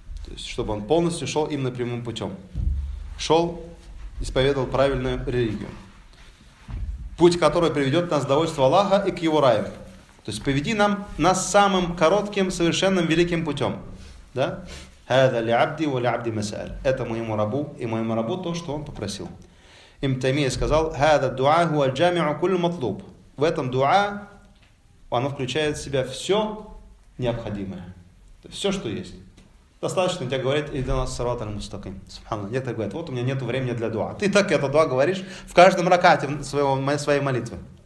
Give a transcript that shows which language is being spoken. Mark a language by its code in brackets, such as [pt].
[ru] То есть, чтобы он полностью шел именно прямым путем. Шел, исповедовал правильную религию. Путь, который приведет нас к довольству Аллаха и к его раю. То есть, поведи нас самым коротким, совершенным, великим путем. Да? [ar] هذا لعبدي ولعبدي مسأل. [ru] Это моему рабу и моему рабу то, что он попросил. Ибн Таймия сказал: [ar] هذا الدعاء هو الجامع كل مطلوب. [ru] В этом дуа оно включает в себя все необходимое. Все, что есть. Достаточно тебе говорить [ar] ихдина ас-сират аль-мустаким. [ru] Субханаллах. Некоторые говорят: вот у меня нет времени для дуа. Ты так это дуа говоришь в каждом ракате своей молитвы.